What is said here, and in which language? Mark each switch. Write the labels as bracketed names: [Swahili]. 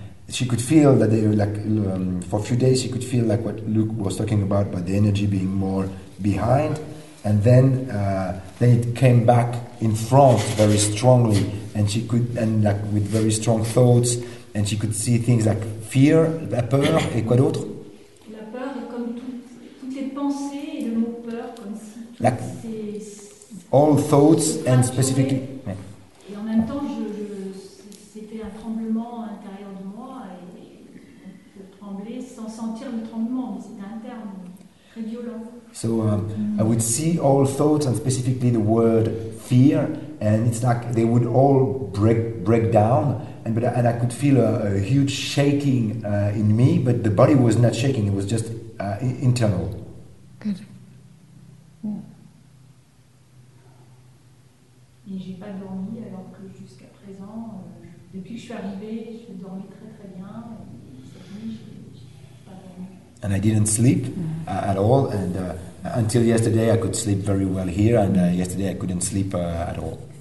[English] she could feel that they were like for a few days she could feel like what Luke was talking about, but the energy being more behind, and then it came back in front very strongly, and she could, and like with very strong thoughts. And she could see things like fear, [French] la peur, et quoi d'autre? La peur est comme toutes les pensées et le mot peur, comme si [English] all thoughts and specifically. [French] Et en même temps, c'était un tremblement à l'intérieur de moi, et je tremblais sans sentir le tremblement, mais c'était interne, très violent. [English] So I would see all thoughts and specifically the word fear, and it's like they would all break down, and I could feel a huge shaking in me, but the body was not shaking, it was just internal. Good. [French] Et j'ai pas dormi, alors que jusqu'à présent, depuis que je suis arrivée, je dormais très très bien, et cette nuit, j'ai pas dormi. [English] And I didn't sleep at all, and until yesterday, I could sleep very well here, and yesterday I couldn't sleep at all.